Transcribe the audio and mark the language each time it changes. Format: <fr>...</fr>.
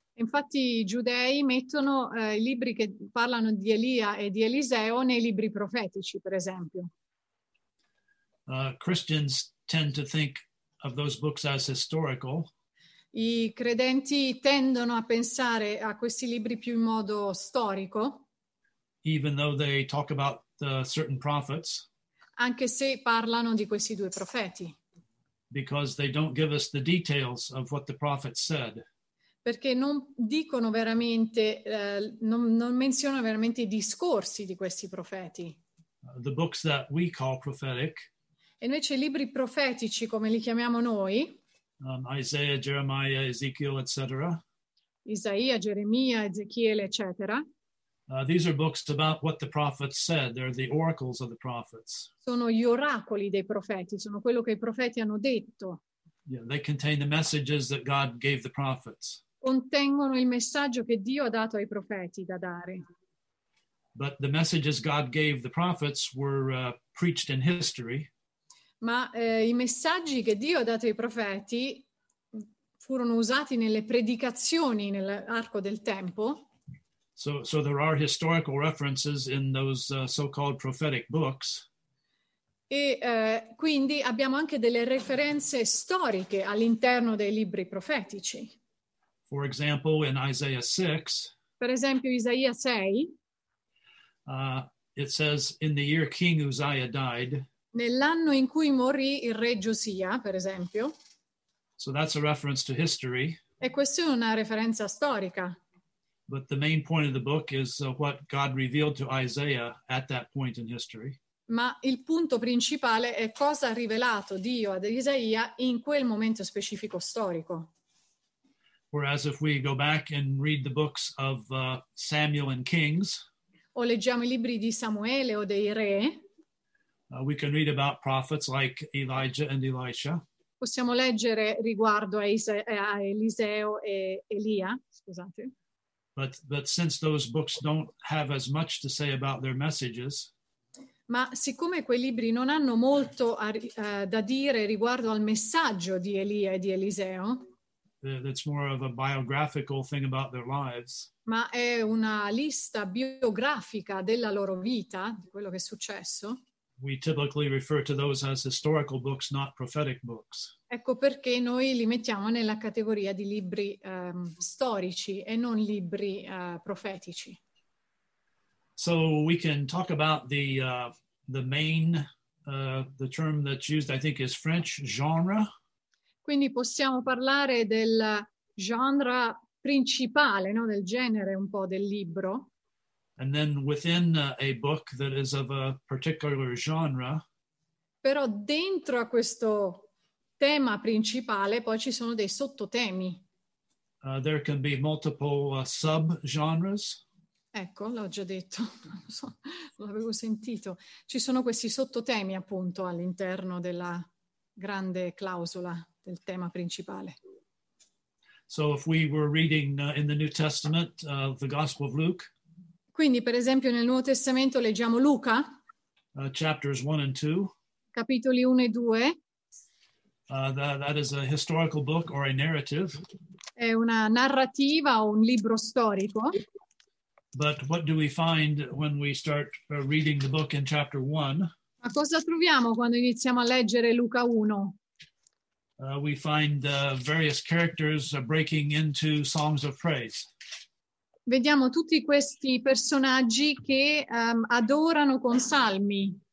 <it>Infatti i giudei mettono i libri che parlano di Elia e di Eliseo nei libri profetici, per esempio.</it> <en>Christians tend to think of those books as historical.</en> <it>I credenti tendono a pensare a questi libri più in modo storico.</it> <en>Even though they talk about certain prophets.</en> <it>Anche se parlano di questi due profeti.</it> <en>Because they don't give us the details of what the prophet said.</en> <it>Perché non dicono veramente, non menzionano veramente i discorsi di questi profeti.</it> <en>The books that we call prophetic.</en> <it>E invece i libri profetici, come li chiamiamo noi.</it> <en>Isaiah, Jeremiah, Ezekiel, etc.</en> <it>Isaia, Geremia, Ezechiele, eccetera.</it> <en>These are books about what the prophets said. They're the oracles of the prophets.</en> <it>Sono gli oracoli dei profeti, sono quello che i profeti hanno detto.</it> <en>Yeah, they contain the messages that God gave the prophets.</en> <it>Contengono il messaggio che Dio ha dato ai profeti da dare.</it> <en>But the messages God gave the prophets were preached in history.</en> <it>Ma i messaggi che Dio ha dato ai profeti furono usati nelle predicazioni nell'arco del tempo.</it> <en>So there are historical references in those so-called prophetic books.</en> <it>Quindi abbiamo anche delle referenze storiche all'interno dei libri profetici.</it> <en>For example, in Isaiah 6,</en> <it>per esempio, Isaia 6,</it> <en>it says, in the year King Uzziah died,</en> <it>nell'anno in cui morì il re Giosia, per esempio.</it> <en>So that's a reference to history.</en> <it>E questa è una referenza storica.</it> <en>But the main point of the book is what God revealed to Isaiah at that point in history.</en> <it>Ma il punto principale è cosa ha rivelato Dio ad Isaia in quel momento specifico storico.</it> <en>Whereas if we go back and read the books of Samuel and Kings,</en> <it>o leggiamo i libri di Samuele o dei re,</it> <en>we can read about prophets like Elijah and Elisha.</en> <it>Possiamo leggere riguardo a, Eliseo e Elia, scusate.</it> <en>But since those books don't have as much to say about their messages,</en> <it>ma siccome quei libri non hanno molto da dire riguardo al messaggio di Elia e di Eliseo,</it> <en>that's more of a biographical thing about their lives,</en> <it>ma è una lista biografica della loro vita, di quello che è successo,</it> <en>we typically refer to those as historical books, not prophetic books.</en> <it>Ecco perché noi li mettiamo nella categoria di libri storici e non libri profetici.</it> <en>So we can talk about the main the term that's used, I think, is French genre.</en> <it>Quindi possiamo parlare del genre principale, no, del genere un po' del libro.</it> <en>And then within a book that is of a particular genre.</en> <it>Però dentro a questo tema principale poi ci sono dei sottotemi.</it> <en>There can be multiple sub-genres.</en> <it>Ecco, l'ho già detto, l'avevo sentito. Ci sono questi sottotemi appunto all'interno della grande clausola del tema principale.</it> <en>So if we were reading in the New Testament the Gospel of Luke.</en> <it>Quindi per esempio nel Nuovo Testamento leggiamo Luca.</it> <en>Chapters 1 and 2.</en> <it>Capitoli 1 e 2.</it> <en>That is a historical book or a narrative.</en> <it>È una narrativa o un libro storico.</it> <en>But what do we find when we start reading the book in chapter 1?</en> <it>Ma cosa troviamo quando iniziamo a leggere Luca 1?</it> <en>We find various characters breaking into songs of praise.</en> <it>Vediamo tutti questi personaggi che adorano con salmi.</it>